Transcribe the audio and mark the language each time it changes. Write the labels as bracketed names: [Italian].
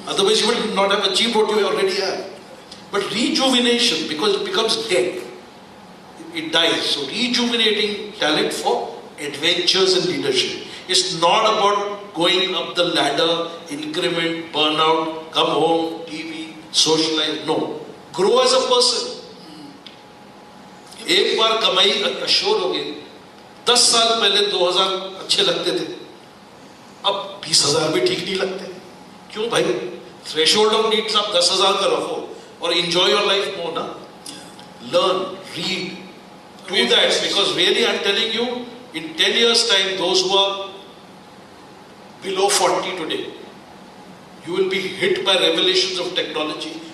[English] Otherwise, you will not have achieved what you already have. But rejuvenation, because it becomes dead. It dies. So rejuvenating talent for adventures in leadership. It's not about going up the ladder, increment, burnout, come home, TV, socialize, no. Grow as a person. [Hindi] एक बार कमाई assure हो गई, 10 साल पहले 2000 अच्छे लगते थे, अब 20,000 भी ठीक नहीं लगते, क्यों भाई? [English] Threshold of needs [Hindi] आप 10,000 का रखो और [English] enjoy your life more ना, learn, read, do that, because really I'm telling you, in 10 years time, those who are below 40 today, you will be hit by revelations of technology.